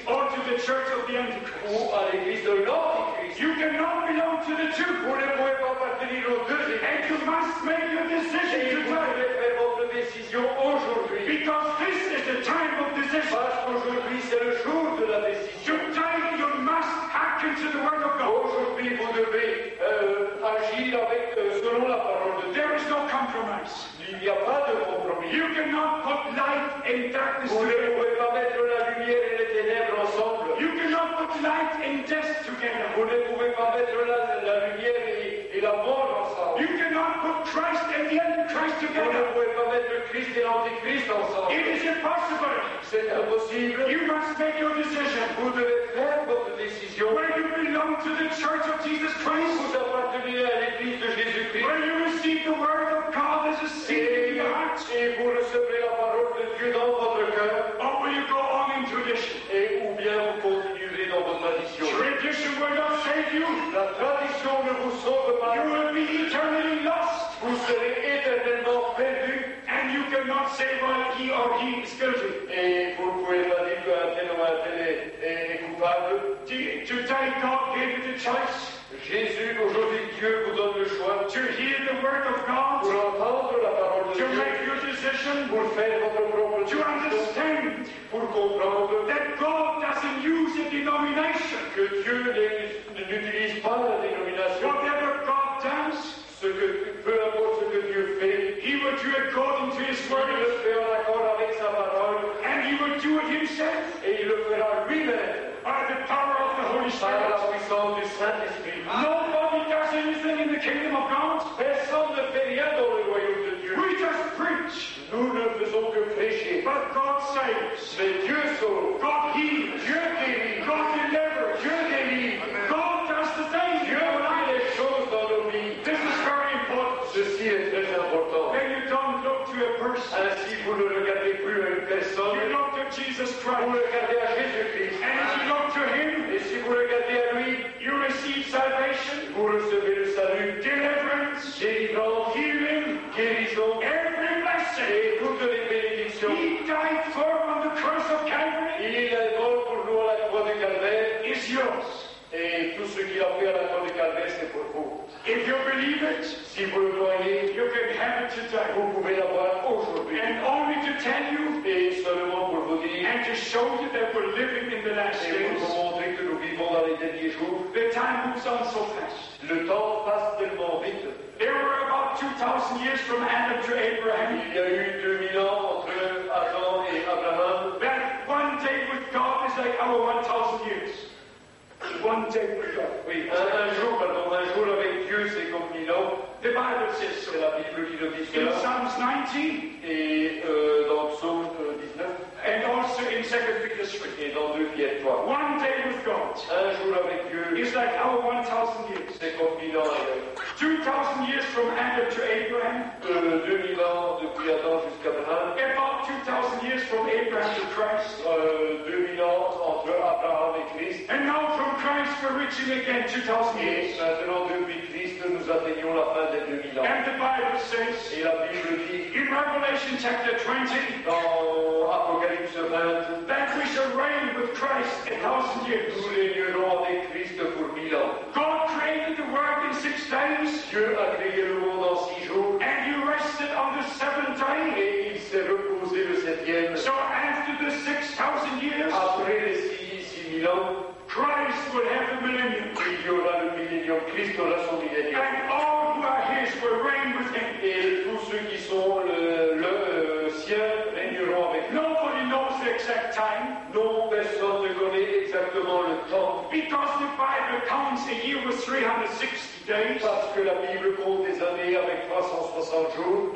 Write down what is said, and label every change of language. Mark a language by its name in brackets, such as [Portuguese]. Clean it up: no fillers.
[English] or to the Church of the Antichrist, [French] ou à l'église de l'Antichrist. [English] You cannot belong to the two. [French] Vous ne pouvez pas appartenir aux deux. [English] And you must make your decision [French] today. Vous devez faire votre décision aujourd'hui. [English] Because this is the time of decision. [French] Parce qu'aujourd'hui c'est le jour de la décision. [English] Today you must act into the Word of God. [French] Aujourd'hui vous devez agir avec selon la parole de Dieu. [English] There is no compromise. [French] Il n'y a pas de compromis. [English] You cannot put light in darkness. [French] Vous ne pouvez pas mettre la lumière et les ténèbres ensemble. [English] You cannot put light and death together. [French] Vous ne pouvez pas mettre la lumière et la mort ensemble. [English] You cannot put Christ and the Antichrist together. [French] Vous ne pouvez pas mettre Christ et l'Antichrist ensemble. [English] It is impossible. [French] C'est impossible. [English] You must make your decision. [French] Vous devez faire votre décision. [English] Where you belong to the Church of Jesus Christ. [French] Vous appartenez à l'Église de Jésus Christ. [English] Where you receive the Word of God as a seed in your heart. [French] Et vous recevrez la parole de Dieu dans votre cœur. [English] Or will you go on in tradition. [French] Et ou bien vous continuerez dans votre tradition. [English] Tradition will not save you. [French] La tradition ne vous sauve pas. [English] You will be eternally lost. [French] Vous serez éternellement perdu. [English] And you cannot say well, he or he is guilty. [French] Et vous pouvez pas dire que tel ou tel est coupable. [English] Today God gave you the choice. [French] Jésus, aujourd'hui Dieu vous donne le choix. [English] To hear the word of God. [French] Pour entendre la parole de [English] to To make your decision. [French] Pour faire votre propre [English] to [French] décision. [English] To understand. [French] Pour comprendre. [English] That God doesn't use a denomination. [French] Que Dieu n'utilise pas la dénomination. [English] Whatever God does. [French] Ce que peu importe ce que Dieu fait. [English] He will do according to His word. [French] Il le fera d'accord avec sa parole. [English] And He will do it Himself. [French] Et il le fera lui-même. [English] By the power of the Holy Spirit. [French] Par la puissance du Saint-Esprit. [English] Nobody does anything in the kingdom of God. [French] Personne ne fait rien dans le royaume de Dieu. [English] We just preach. [French] Nous ne faisons que prêcher. [English] But God saves. [French] Mais Dieu sauve. [English] God heals. [French] Dieu guérit. [English] God delivers. [French] Dieu guérit. [English] Amen. God does the things. [French] Dieu fait les choses dans nos vies. [English] This is very important. [French] Ceci est très important. [English] Then you don't look to a person. [French] Ainsi vous ne regardez plus à une personne. [English] You look to Jesus Christ. [French] Vous regardez à Jésus-Christ. Et si vous regardez à lui, [English] you receive salvation, [French] vous recevez le salut, [English] deliverance, [French] délivrance, [English] healing, [French] guérison, [English] every blessing, [French] et toutes les bénédictions. [English] He died for on the cross of Calvary. [French] Il est mort pour nous à la croix de Calvaire. [English] Is yours. [French] Et tout ce qu'il a fait à la croix de Calvaire, c'est pour vous. [English] If you believe it, [French] si vous le croyez, [English] you can have it today. [French] Vous pouvez l'avoir aujourd'hui. [English] And only to tell you, [French] et seulement pour vous dire, [English] and to show you that we're living in the last [French] et [English] days. [French] Pour vous montrer que nous vivons dans les derniers jours. [English] The time moves on so fast. [French] Le temps passe tellement vite. [English] There were about 2,000 years from Adam to Abraham. [French] Il y a eu 2000 ans entre Adam et Abraham. [English] That one day with God is like our 1,000 years. One day with God. [French] Oui, un jour avec Dieu, c'est comme 1000 ans. [English] The Bible says so. [French] La Bible dit le dit cela. [English] In Psalms 19. [French] Et dans Psaume 19. [English] And also in 2 Peter 3. [French] Et dans 2 Pierre 3. [English] One day with God. [French] Un jour avec Dieu. [English] It's like our 1,000 years. [French] C'est comme 1000 ans avec. [English] 2,000 years from Adam to Abraham. [French] 2000 ans depuis Adam jusqu'à Abraham. [English] About 2,000 years from Abraham to Christ. [French] 2000 ans entre Abraham et Christ. [English] And now from Christ we're reaching again 2,000 years. [French] Et maintenant depuis Christ nous atteignons la fin des 2000 ans. [English] And the Bible says. [French] Et la Bible dit. [English] In Revelation chapter 20. [French] Dans Apocalypse 20. [English] That we shall reign with Christ 1,000 years. [French] Nous régnerons avec Christ pour 1000 ans. [English] God created the world in 6 days. [French] Dieu a créé le monde en 6 jours. [English] And he rested on the seventh day. [French] Et il s'est reposé le 7e. [English] So after the 6,000 years. [French] Après les 6000 ans. [English] Christ will have the millennium. [French] Il y aura le millénium. Christ aura son millénium. [English] And all who are his will reign with him. [French] Et tous ceux qui sont le sien régneront avec lui. [English] Nobody knows the exact time. [French] Non, personne ne connaît exactement le temps. [English] Because the Bible counts a year with 360 days. [French] Parce que la Bible compte des années avec 360 jours.